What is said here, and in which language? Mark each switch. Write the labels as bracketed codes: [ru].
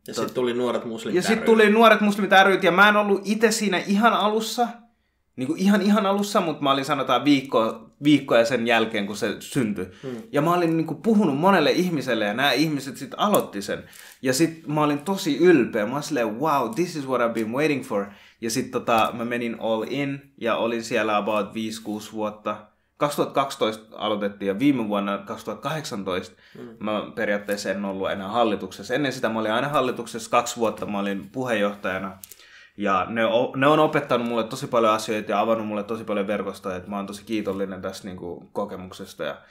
[fi] ja sitten tuli nuoret muslimit ry. Ja mä en ollut itse siinä ihan alussa. Niin kuin ihan alussa, mutta mä olin sanotaan viikkoja sen jälkeen, kun se syntyi. Ja mä olin niin kuin puhunut monelle ihmiselle ja nämä ihmiset sitten aloitti sen. Ja sitten mä olin tosi ylpeä. Mä olin silleen, [en] wow, this is what I've been waiting for. [fi] Ja sitten mä menin [en] all in [fi] ja olin siellä about 5-6 vuotta. 2012 aloitettiin ja viime vuonna 2018 mä periaatteessa en ollut enää hallituksessa. Ennen sitä mä olin aina hallituksessa 2 vuotta, mä olin puheenjohtajana. Ja ne on opettanut mulle tosi paljon asioita ja avannut mulle tosi paljon verkostoja, että mä oon tosi kiitollinen tästä niin kuin, kokemuksesta.